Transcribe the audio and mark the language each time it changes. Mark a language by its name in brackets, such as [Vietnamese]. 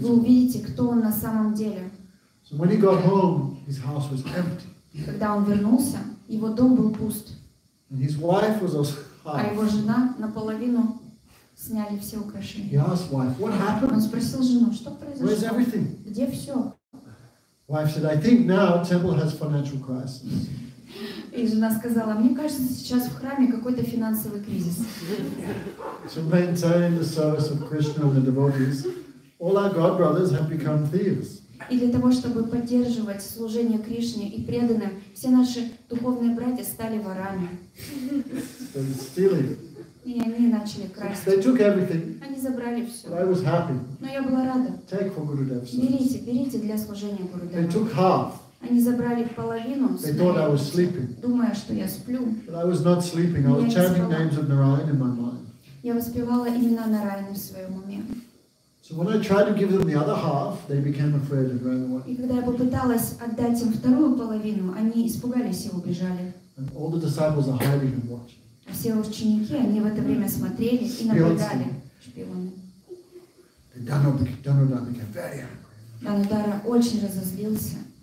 [Russian] Вы увидите, кто он на самом деле. [English] So when he got home, his house was empty. [Russian] Когда он вернулся, его дом был пуст. [English] And his wife was also. [Russian] А его жена наполовину сняли все украшения. [English] He asked wife, "What happened?" [Russian] Он спросил жену, что произошло? [English] Where's everything? [Russian] Где все? [English] Wife said, "I think now temple has financial crisis." [Russian] И жена сказала, мне кажется, сейчас в храме какой-то финансовый кризис. [English] To maintain the service of Krishna and the devotees, all our god brothers have become thieves. [Russian] И для того, чтобы поддерживать служение Кришне и преданным, все наши духовные братья стали ворами. [English] They're stealing. [Russian] И они начали красть. [English] They took everything. [Russian] Они забрали все. [English] But I was happy. [Russian] Но я была рада. [English] Take for Gurudev. [Russian] Берите для служения Гурудева. [English] They took half. [Russian] Они забрали половину, думая, что я сплю. [English] But I was not sleeping. I was chanting names of Narayan in my mind. [Russian] Я воспевала имена Нараяны в своем уме. [English] So when I tried to give them the other half, they became afraid and ran away. [Russian] И когда я попыталась отдать им вторую половину, они испугались и убежали. [English] And all the disciples are hiding and watching. [Russian] Все ученики, они в это время смотрели и наблюдали. Шпионы. Данудара became very angry. Данудара очень разозлился.